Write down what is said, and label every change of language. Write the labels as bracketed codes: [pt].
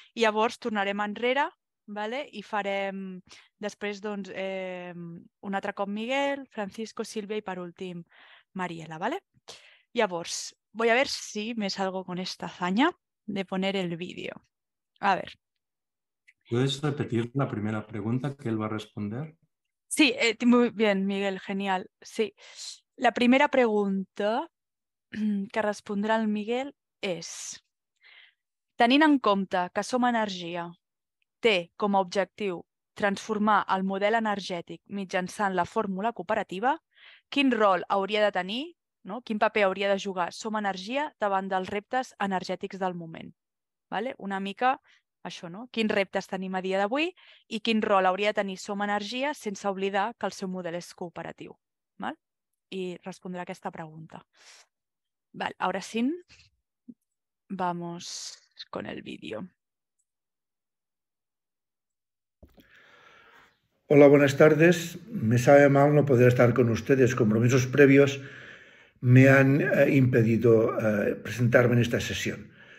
[ca] I llavors tornarem enrere, ¿vale? I farem després doncs, un altre cop Miguel, Francisco, Silvia i per últim Mariela, ¿vale? Llavors, [es] voy a ver si me salgo con esta hazaña de poner el vídeo. A ver. ¿Puedes repetir la primera pregunta que él va a responder? Sí, muy bien, Miguel, genial. Sí. [ca] La primera pregunta que respondrà el Miguel és: tenint en compte que Som Energia té com a objectiu transformar el model energètic mitjançant la fórmula cooperativa, quin rol hauria de tenir, no? Quin paper hauria de jugar Som Energia davant dels reptes energètics del moment? Vale? Una mica això, no? Quins reptes tenim a dia d'avui i quin rol hauria de tenir Som Energia sense oblidar que el seu model és cooperatiu? Val? I respondré a aquesta pregunta. [es] Val, ahora sí, vamos con el vídeo. Hola, buenas tardes. Me sabe mal no poder estar con ustedes. Compromisos previos me han impedido presentarme en esta sesión.